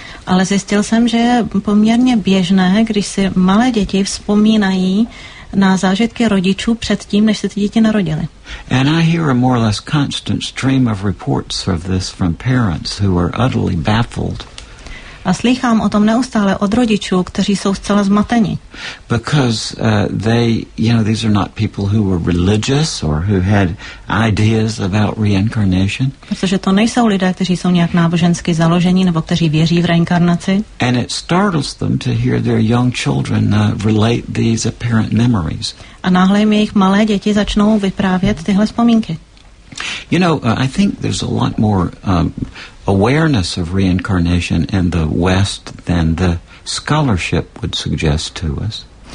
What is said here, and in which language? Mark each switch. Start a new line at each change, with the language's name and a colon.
Czech: Ale zjistil jsem, že je poměrně běžné, když si malé děti vzpomínají na zážitky rodičů před tím, než se ty děti narodily.
English: And I hear a more or less constant stream of reports of this from parents who are utterly baffled.
Czech: A slýchám o tom neustále od rodičů, kteří jsou zcela zmateni.
English: Because these are not people who were religious or who had ideas about reincarnation.
Czech: Protože to nejsou lidé, kteří jsou nějak nábožensky založeni nebo kteří věří v reinkarnaci.
English: And it startles them to hear their young children relate these apparent memories.
Czech: A náhle jim jejich malé děti začnou vyprávět tyhle vzpomínky.
English: You know, I think there's a lot more awareness of reincarnation in the West than the scholarship would suggest to us.